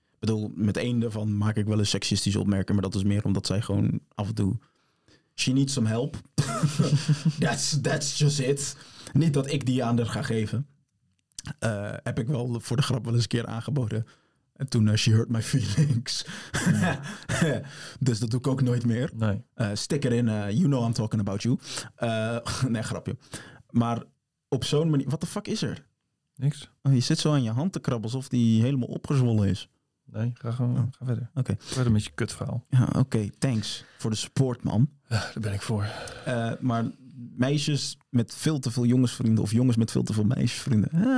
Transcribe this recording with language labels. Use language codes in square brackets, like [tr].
[nl] Ik bedoel, met één daarvan maak ik wel een seksistische opmerking, maar dat is meer omdat zij gewoon af en toe... [en] She needs some help. that's just it. [nl] Niet dat ik die aan haar ga geven. Heb ik wel voor de grap wel eens een keer aangeboden. En toen, [en] she hurt my feelings. [nl] Dus dat doe ik ook nooit meer. Nee. [en] Stick it in, you know I'm talking about you. [nl] Nee, grapje. Maar op zo'n manier... [en] What the fuck [nl] is er? Niks. Oh, je zit zo aan je hand te krabben alsof die helemaal opgezwollen is. Nee, ga verder. Oké. Okay. Verder met je kutverhaal. Ja, oké, thanks voor de support, man. Ja, daar ben ik voor. Maar meisjes met veel te veel jongensvrienden of jongens met veel te veel meisjesvrienden.